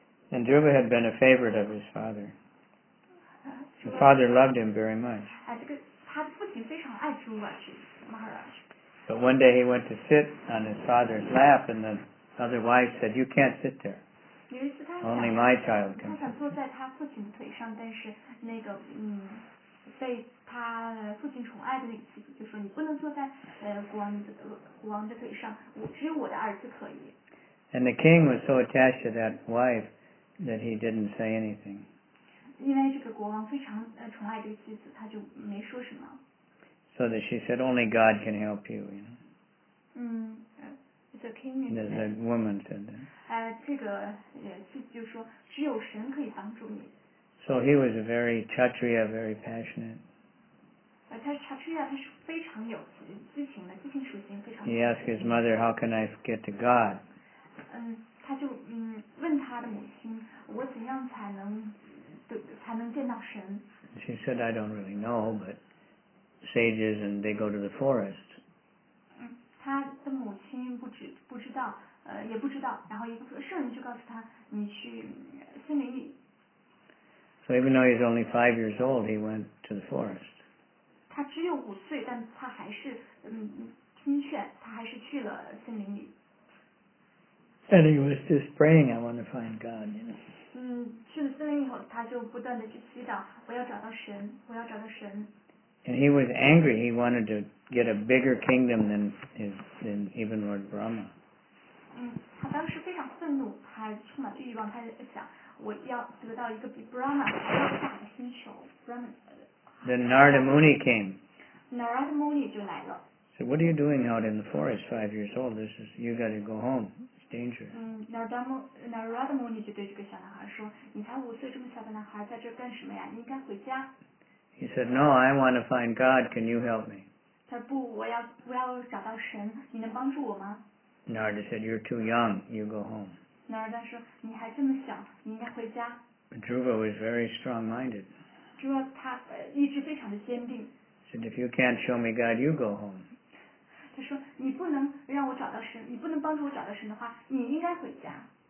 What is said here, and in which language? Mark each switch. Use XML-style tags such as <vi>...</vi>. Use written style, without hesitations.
<en>And Dhruva had been a favorite of his father. The father loved him very much.</en> <zh>他父亲非常爱 Dhruva Maharaj.</zh> <en>But one day he went to sit on his father's lap and the other wife said, you can't sit there. Only my child can.</en> <zh>他想坐在他父亲的腿上，但是那个被他父亲宠爱的那个妻子就说你不能坐在国王的腿上，只有我的儿子可以。</zh> <en>And the king was so attached to that wife that he didn't say anything.</en> <zh>因为这个国王非常宠爱这个妻子，他就没说什么。</zh> <en>So that she said, only God can help you. You know. The woman said that.</en> <zh>这个妻子就说只有神可以帮助你。</zh> <en>So he was a very Kshatriya, very passionate.</en> <zh>他是 Kshatriya, 他是非常有激情的，激情属性非常。</zh> <en>He asked his mother, "How can I get to God?"</en> <zh>他就问他的母亲，我怎样才能见到神？</zh> <en>She said, "I don't really know, but sages and they go to the forest."</en> <zh>他的母亲不知道，也不知道。然后一个圣人就告诉他，你去森林里。</zh> <en>So even though he's only 5 years old, he went to the forest.</en> <zh>他只有五岁，但他还是听劝，他还是去了森林里。</zh> <en>And he was just praying, "I want to find God." You know.</en> <zh>去了森林以后，他就不断的去祈祷，我要找到神，我要找到神。</zh> <en>And he was angry. He wanted to get a bigger kingdom than even Lord Brahma.</en> <zh>他当时非常愤怒，他充满欲望，他想我要得到一个比 Brahma 大的星球 Brahma.</zh> <en>Then Narada Muni came.</en> <zh>Narada Muni 就来了。</zh> <en>So what are you doing out in the forest? 5 years old. This is you got to go home. It's dangerous.</en> <zh>Narada Muni 就对这个小男孩说，你才五岁，这么小的男孩在这干什么呀？你应该回家。</zh> <en>He said, "No, I want to find God. Can you help me?"</en> <zh>他说不，我要找到神，你能帮助我吗？</zh> <en>Narada said, "You're too young. You go home."</en> <zh>Narada 说你还这么小，你应该回家。</zh> <en>Dhruva was very strong-minded.</en> <zh>Dhruva 他意志非常的坚定。</zh> <en>Said, "If you can't show me God, you go home."</en> <zh>他说你不能让我找到神，你不能帮助我找到神的话，你应该回家。</zh>